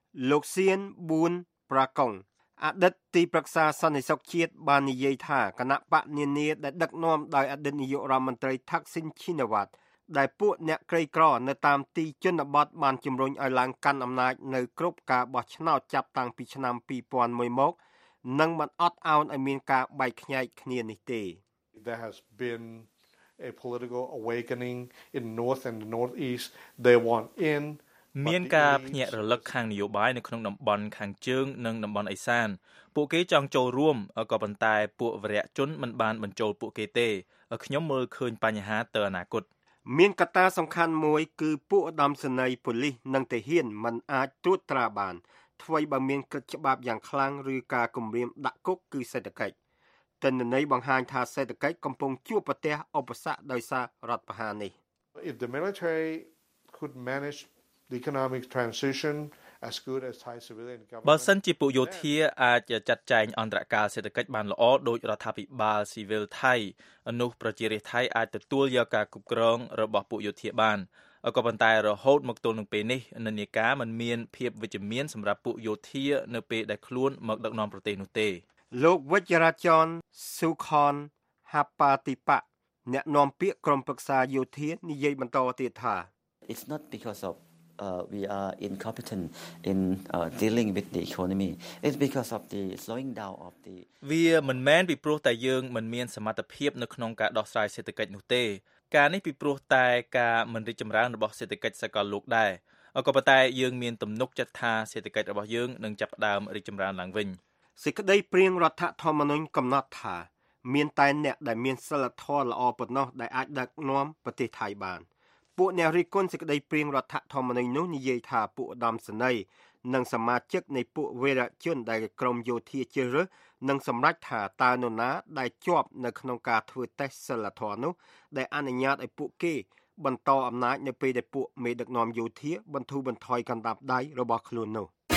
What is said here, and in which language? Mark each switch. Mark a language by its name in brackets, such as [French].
[Khmer] លោកសៀនប៊ូនប្រាកុងអតីតទីប្រឹក្សាសន្តិសុខជាតិបាននិយាយថាគណៈបកនានាដែលដឹកនាំដោយអតីតនាយករដ្ឋមន្ត្រីថាក់ស៊ីនឈីណាវ៉ាត់ដែលពួកអ្នកក្រីក្រនៅតាមទីជនបទបានជំរុញឲ្យឡើងកាន់អំណាចនៅគ្រប់ការបោះឆ្នោតចាប់តាំងពីឆ្នាំ2001មកនិងមិនអត់ឱនឲ្យមានការបែកខ្ញែកគ្នានេះទេ [English] There has been a political awakening in north and northeast. They want in. [Khmer] មានការភ្ញាក់រលឹកខាងនយោបាយនៅក្នុងតំបន់ខាងជើងនិងតំបន់អេសានពួកគេចង់ចូលរួមក៏ប៉ុន្តែពួកវរៈជនមិនបានបញ្ចូលពួកគេទេខ្ញុំមើលឃើញបញ្ហាទៅអនាគត មានកត្តាសំខាន់មួយគឺពួកឧត្តមសេនីយ៍ប៉ូលីសនិងទាហានមិនអាចត្រួតត្រាបានថ្មីបើមានក្រឹតច្បាប់យ៉ាងខ្លាំងឬការគម្រាមដាក់គុកគឺសេដ្ឋកិច្ចតន្ន័យបង្ហាញថាសេដ្ឋកិច្ចកំពុងជួបប្រទះឧបសគ្គដោយសាររដ្ឋប្រហារនេះ [English] If the military could manage the economic transition as good as Thai civilian government. [Khmer] បើសិនជាពួកយោធាអាចចាត់ចែងអន្តរកាលសេដ្ឋកិច្ចបានល្អដោយរដ្ឋាភិបាលស៊ីវិលថៃនោះប្រជារាស្ត្រថៃអាចទទួលយកការគ្រប់គ្រងរបស់ពួកយោធាបានក៏ប៉ុន្តែរហូតមកទល់នឹងពេលនេះនានាការមិនមានភាពវិជ្ជមានសម្រាប់ពួកយោធានៅពេលដែលខ្លួនមកដឹកនាំប្រទេសនោះទេ លោកវិជ្ជរាចរណ៍សុខុនហាបាតិបៈអ្នកនាំពាក្យក្រុមប្រឹក្សាយោធានិយាយបន្តទៀតថា [English] It's not because ofwe are incompetent in dealing with the economy it's because of the slowing down of the [Khmer] we មិនមែនពីព្រោះតែយើងមិនមានសមត្ថភាពនៅក្នុងការដោះស្រាយសេដ្ឋកិច្ចនោះទេការនេះពីព្រោះតែការមិនរីកចម្រើនរបស់សេដ្ឋកិច្ចសកលលោកដែរក៏ប៉ុន្តែយើងមានទំនុកចិត្តថាសេដ្ឋកិច្ចរបស់យើងនឹងចាប់ផ្ដើមរីកចម្រើនឡើងវិញ សេចក្តីព្រៀងរដ្ឋធម្មនុញ្ញកំណត់ថាមានតែអ្នកដែលមានសិលធម៌ល្អប៉ុណ្ណោះដែលអាចដឹកនាំប្រទេសថៃបានពួកអ្នករីគុណសេចក្តីព្រៀងរដ្ឋធម្មនុញ្ញនោះនិយាយថាពួកឧត្តមសេនីយ៍និងសមាជិកនៃពួកវីរជនដែលក្រុមយោធាជ្រើសរើសនឹងសម្រេចថាតើនរណាដែលជាប់នៅក្នុងការធ្វើតេស្តសិលធម៌នោះដែលអនុញ្ញាតឲ្យពួកគេបន្តអំណាចនៅពេលដែលពួកមេដឹកនាំយោធាបន្ធូរបន្ថយកណ្ដាប់ដៃរបស់ខ្លួននោះ